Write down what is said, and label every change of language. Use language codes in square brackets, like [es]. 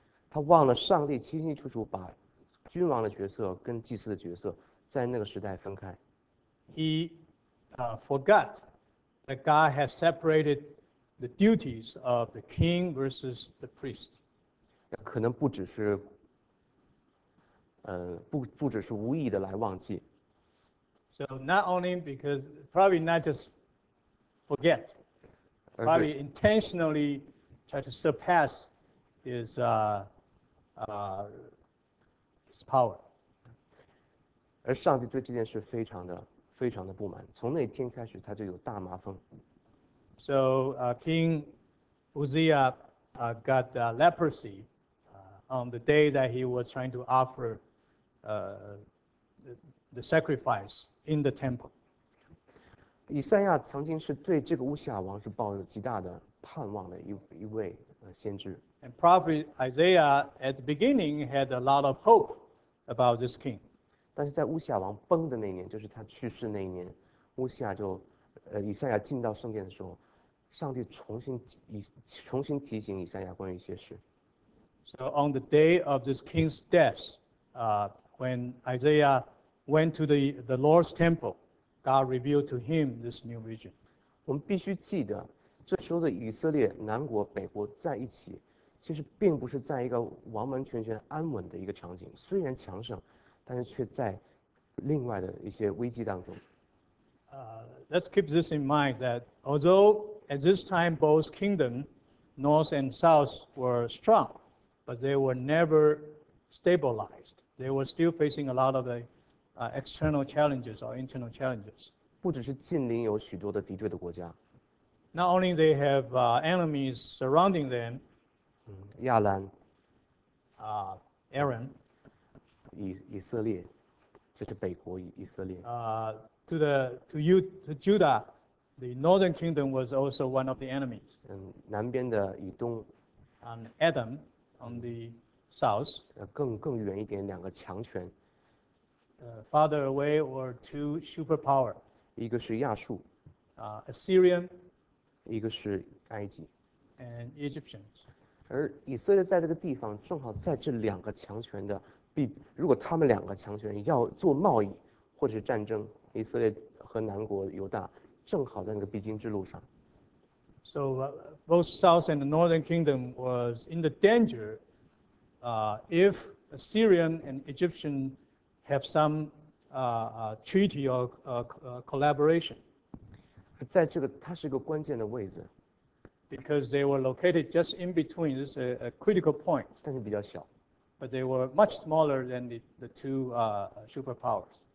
[zh] 他忘了上帝清清楚楚把君王的角色跟祭司的角色在那个时代分开。 [en] He forgot that God had separated the duties of the king versus the priest. [zh] 可能不只是，不只是无意的来忘记。 [en] So not only because probably not just forget, probably intentionally try to surpass his power. [zh] 而上帝对这件事非常的不满，从那天开始他就有大麻风。 [en] So King Uzziah got leprosy on the day that he was trying to offer the sacrifice in the temple. [zh] 以赛亚曾经是对这个乌西亚王是抱有极大的盼望的一位先知。 [en] And prophet Isaiah at the beginning had a lot of hope about this king. [zh] 但是在乌西亚王崩的那年，就是他去世那一年，乌西亚就，以赛亚进到圣殿的时候，上帝重新提醒以赛亚关于一些事。 [en] So on the day of this king's death, when Isaiah went to the Lord's temple, God revealed to him this new vision. [zh] 我们必须记得，这时候的以色列南国北国在一起，其实并不是在一个完完全全安稳的一个场景，虽然强盛，但是却在另外的一些危机当中。 [en] Let's keep this in mind that although at this time both kingdoms, north and south, were strong, but they were never stabilized. They were still facing a lot of the external challenges or internal challenges. [zh] 不只是近邻有许多的敌对的国家。 [en] Not only they have enemies surrounding them. [zh] 亚兰。 [en] Aaron. [zh] 以色列，这是北国以色列。 [en] To Judah, the northern kingdom was also one of the enemies. [zh] 南边的以东。 [en] And Edom on the south. [zh] 更远一点，两个强权。 [en] Farther away were two superpower. [zh] 一个是亚述。 [en] Assyrian. [zh] 一个是埃及。 [en] And Egyptians. [zh] 而以色列在这个地方，正好在这两个强权的，如果他们两个强权要做贸易或者是战争，以色列和南国犹大正好在那个必经之路上。 [en] So both south and the northern kingdom was in the danger, if Assyrian and Egyptian have some treaty or collaboration. [zh] 在这个，它是一个关键的位置。 [en] Because they were located just in between, this is a critical point. [zh] 但是比较小。 [en] But they were much smaller than the two superpowers.